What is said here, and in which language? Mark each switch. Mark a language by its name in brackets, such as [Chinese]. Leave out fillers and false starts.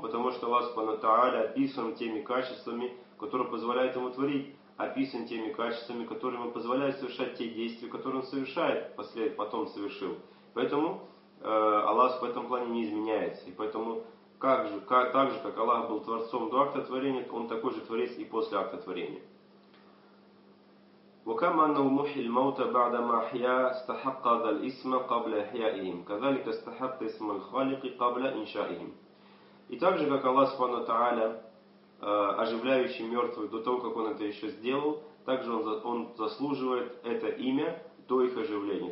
[Russian] Потому что Аллах Субхану Тааля описан теми качествами, которые позволяют Ему творить, описан теми качествами, которые Ему позволяют совершать те действия, которые Он совершает, потом совершил. Поэтому Аллах в этом плане не изменяется. И поэтому так же, как Аллах был Творцом до акта творения, Он такой же Творец и после акта творения. [Arabic] وكما أنه محيي الموتى بعدما أحيا استحق هذا الاسم قبل إحيائهم كذلك استحق اسم الخالق قبل إنشائهم. [Russian] И так же, как Аллах Субхану Тааля, оживляющий мертвых до того, как Он это еще сделал, так же Он заслуживает это имя до их оживления.